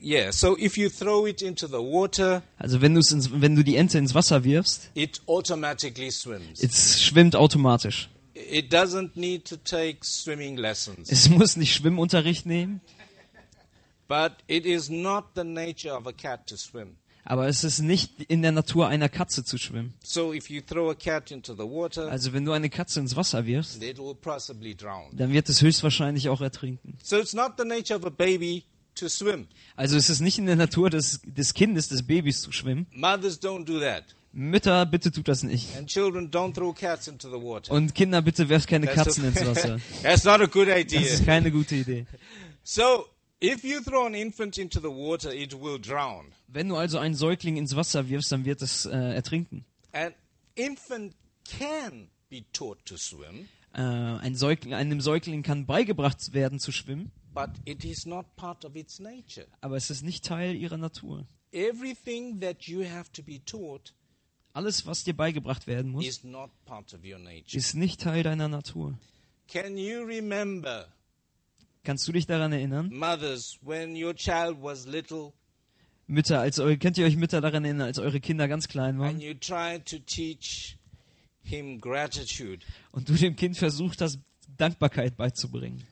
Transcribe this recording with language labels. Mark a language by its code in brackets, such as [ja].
[en] So if you throw it into the water, [de] also wenn du die Ente ins Wasser wirfst, [en] it automatically swims. [de] Es schwimmt automatisch. [en] It doesn't need to take swimming lessons. [de] Es muss nicht Schwimmunterricht nehmen. [en] But it is not the nature of a cat to swim. [de] Aber es ist nicht in der Natur einer Katze zu schwimmen. [en] So if you throw a cat into the water, [de] also wenn du eine Katze ins Wasser wirfst, [en] it will possibly drown. [de] Dann wird es höchstwahrscheinlich auch ertrinken. [en] So it's not the nature of a baby to swim. [de] Also es ist nicht in der Natur des Kindes, des Babys zu schwimmen. [en] Mothers don't do that. [de] Mütter, bitte tut das nicht. [en] And children don't throw cats into the water. [de] Und Kinder, bitte werft keine Katzen ins Wasser. [en] That's not a good idea. [de] Das ist keine gute Idee. [en] So, if you throw an infant into the water, it will drown. [de] Wenn du also einen Säugling ins Wasser wirfst, dann wird es ertrinken. [en] An infant can be taught to swim. [de] Einem Säugling kann beigebracht werden zu schwimmen. [en] But it is not part of its nature. [de] Aber es ist nicht Teil ihrer Natur. [en] Everything that you have to be taught, [de] alles, was dir beigebracht werden muss, [en] is not part of your nature. [de] Ist nicht Teil deiner Natur. [en] Can you remember, [de] kannst du dich daran erinnern? [en] Mothers, when your child was little, [de] Mütter, könnt ihr euch Mütter daran erinnern, als eure Kinder ganz klein waren? [en] And you tried to teach him gratitude. [de] Und du dem Kind versucht hast, Dankbarkeit beizubringen.